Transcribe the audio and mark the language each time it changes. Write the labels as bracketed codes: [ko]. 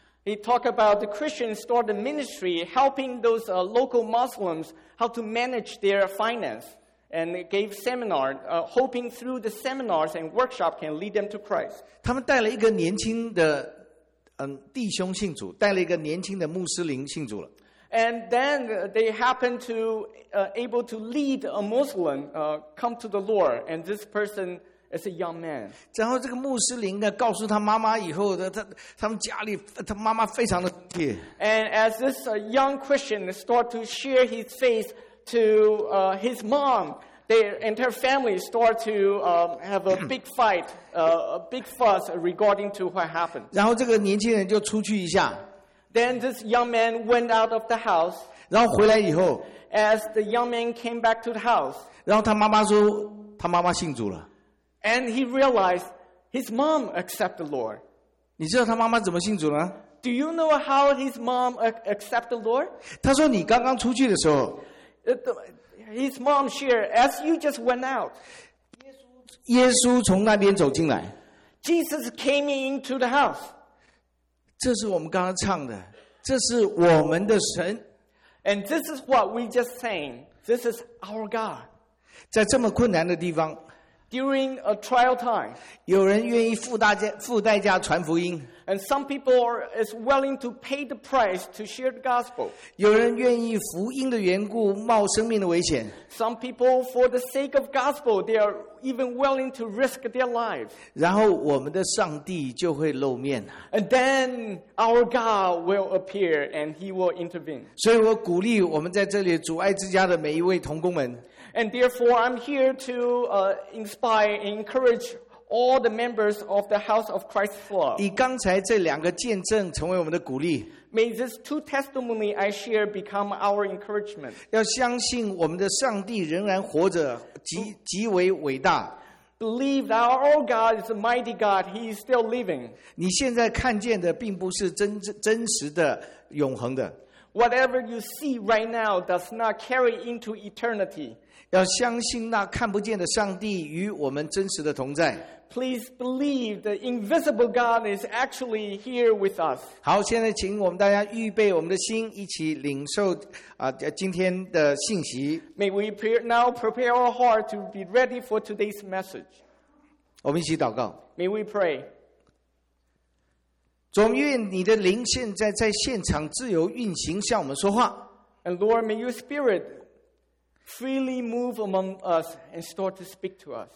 [en] He talked about the Christian started ministry helping those local Muslims how to manage their finance and gave seminar, hoping through the seminars and workshop can lead them to Christ. [zh] 他们带了一个年轻的弟兄信主，带了一个年轻的穆斯林信主了。 [en] And then they happened to able to lead a Muslim come to the Lord, and this person is a young man. [zh] 然后这个穆斯林呢，告诉他妈妈以后，他们家里他妈妈非常的生气。 [en] And as this young Christian start to share his faith to his mom, they and her family start to have a big fight. A big fuss regarding to what happened. [zh] 然后这个年轻人就出去一下。 [en] Then this young man went out of the house. [zh] 然后回来以后。 [en] As the young man came back to the house. [zh] 然后他妈妈说他妈妈信主了。 [en] And he realized his mom accepted the Lord. [zh] 你知道他妈妈怎么信主呢？ [en] Do you know how his mom accepted the Lord? [zh] 他说你刚刚出去的时候。 [en] His mom shared, as you just went out. [zh] 耶稣从那边走进来。 [en] Jesus came into the house. [zh] 这是我们刚刚唱的，这是我们的神。 [en] And this is what we just sang. This is our God. [zh] 在这么困难的地方。 [en] During a trial time. [zh] 有人愿意付代价传福音。 [en] And some people is willing to pay the price to share the gospel. [zh] 有人愿意福音的缘故冒生命的危险。 [en] Some people for the sake of gospel, they are even willing to risk their lives. [zh] 然后我们的上帝就会露面。 [en] And then our God will appear and he will intervene. [zh] 所以我鼓励我们在这里主爱之家的每一位同工们。 [en] And therefore I'm here to inspire and encourage all the members of the House of Christ's floor. [zh] 以刚才这两个见证成为我们的鼓励。 [en] May these two testimonies I share become our encouragement. [zh] 要相信我们的上帝仍然活着，极为伟大。 [en] Believe that our God is a mighty God. He is still living. [zh] 你现在看见的并不是真实的永恒的。 [en] Whatever you see right now does not carry into eternity. [zh] 要相信那看不见的上帝与我们真实的同在。 [en] Please believe the invisible God is actually here with us. [zh] 好，现在请我们大家预备我们的心，一起领受今天的信息。 [en] May we now prepare our heart to be ready for today's message. [zh] 我们一起祷告。 [en] May we pray. [zh] 主，愿你的灵现在在现场自由运行，向我们说话。 [en] And Lord, may your spirit freely move among us and start to speak to us.